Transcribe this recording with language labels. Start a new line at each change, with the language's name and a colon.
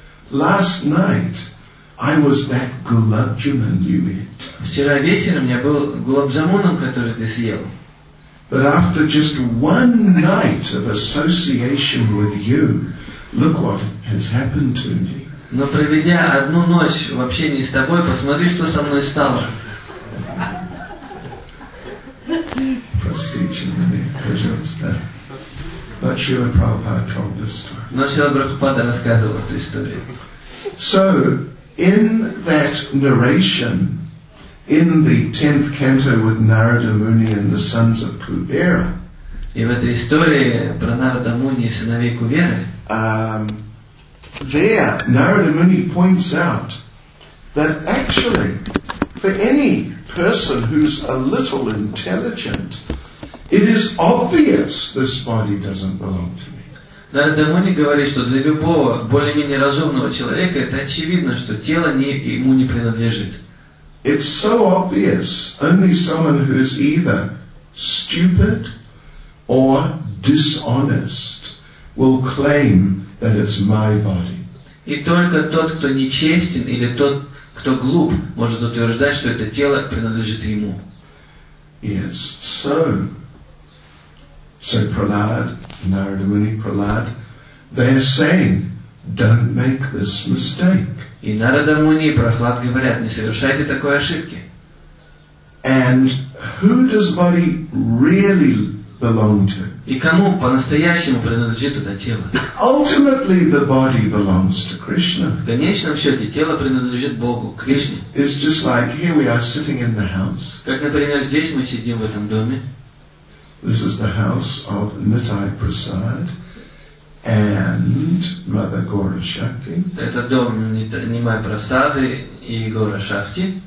English: Last night I was that gulab jamun you ate.
Russian: Вчера вечером я был гулаб джамуном, который ты съел.
English: But after just one night of association with you, look what has happened to me.
Russian: Но проведя одну ночь в общении с тобой, посмотри, что со мной стало. Простите меня, пожалуйста.
English: But Srila Prabhupada told this story.
Russian: Но Srila Prabhupada рассказывал эту историю.
English: So, in that narration, in the 10th canto with Narada Muni and the sons of Kubera.
Russian: И в этой истории про Нарада Муни и сыновей Куберы.
English: There Narada Muni points out that actually for any person who's a little intelligent, if It is obvious this body doesn't belong to me.
Russian: Да, демоник говорит, что для любого более-менее разумного человека это очевидно, что тело не, ему не принадлежит.
English: It's so obvious. Only someone who is either stupid or dishonest will claim that it's my body.
Russian: И только тот, кто нечестен или тот, кто глуп, может утверждать, что это тело принадлежит ему.
English: Yes, so. So Prahlad, Narada Muni Prahlad, they are saying, don't make this mistake.
Russian: И Нарада Муни и Прохлад говорят, не совершайте такой ошибки.
English: And who does body really belong to?
Russian: И кому по-настоящему принадлежит это тело?
English: Ultimately, the body belongs to Krishna.
Russian: В конечном счете тело принадлежит Богу, Кришне.
English: It's just like here we are sitting in the house.
Russian: Как, например, здесь мы сидим в этом доме.
English: This is the house of Nittai Prasad and Mother Gaura Shakti.
Russian: Это дом Нимай Прасады и Гора Шакти.